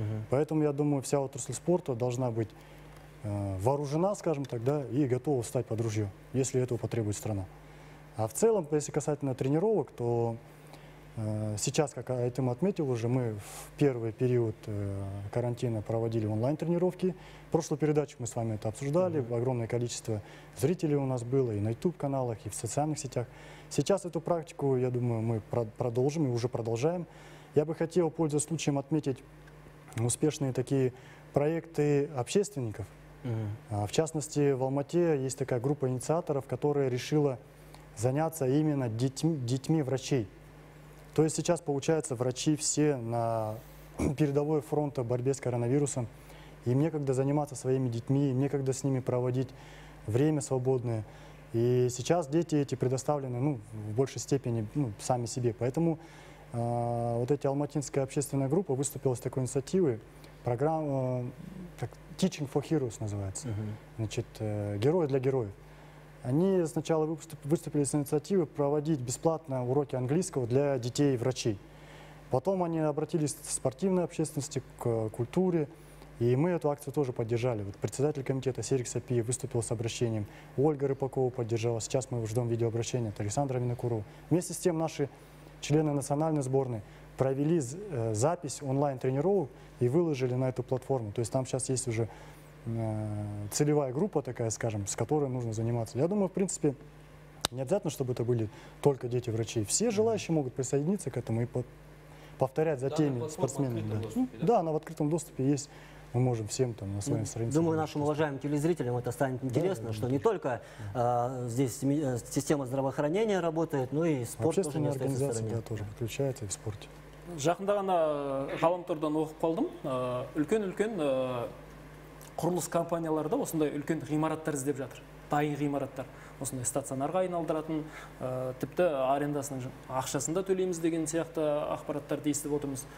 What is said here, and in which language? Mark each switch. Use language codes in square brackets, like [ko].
[ru] Поэтому, я думаю, вся отрасль спорта должна быть вооружена, скажем так, да, и готова встать под ружье, если этого потребует страна. А в целом, если касательно тренировок, то Сейчас, как я этим отметил уже, мы в первый период карантина проводили онлайн-тренировки. Прошлую передачу мы с вами это обсуждали. Огромное количество зрителей у нас было и на YouTube-каналах, и в социальных сетях. Сейчас эту практику, я думаю, мы продолжим и уже продолжаем. Я бы хотел, пользуясь случаем, отметить успешные такие проекты общественников. В частности, в Алмате есть такая группа инициаторов, которая решила заняться именно детьми врачей. То есть сейчас, получается, врачи все на передовой фронте борьбе с коронавирусом. Им некогда заниматься своими детьми, им некогда с ними проводить время свободное. И сейчас дети эти предоставлены, ну, в большей степени, ну, сами себе. Поэтому вот эти алматинская общественная группа выступила с такой инициативой. Программа Teaching for Heroes называется. Значит, герои для героев. Они сначала выступили с инициативой проводить бесплатно уроки английского для детей и врачей. Потом они обратились к спортивной общественности, к культуре. И мы эту акцию тоже поддержали. Вот председатель комитета Серик Сапиев выступил с обращением. Ольга Рыпакова поддержала. Сейчас мы ждем видеообращения от Александра Винокурова. Вместе с тем наши члены национальной сборной провели запись онлайн-тренировок и выложили на эту платформу. То есть там сейчас есть уже целевая группа такая, скажем, с которой нужно заниматься. Я думаю, в принципе, не обязательно, чтобы это были только дети врачи. Все желающие могут присоединиться к этому и повторять за теми спортсменами. Да. Доступе, да? Да, она в открытом доступе есть. Мы можем всем там на своей странице. Думаю, нашим уважаемым телезрителям это станет интересно, да, что не только здесь система здравоохранения работает, но и спорт. Общественные организации, да, тоже подключаются и в спорте. [kk] Жақында ғана ғаламтордан оқып қалдым. Үлкен-үлкен құрылыс компанияларда осындай үлкен ғимараттар іздеп жатыр. Дайын ғимараттар. Осындай стационарға айналдыратын, тіпті арендасының ақшасында төлейміз деген сияқты ақпараттарды естіп отырмыз.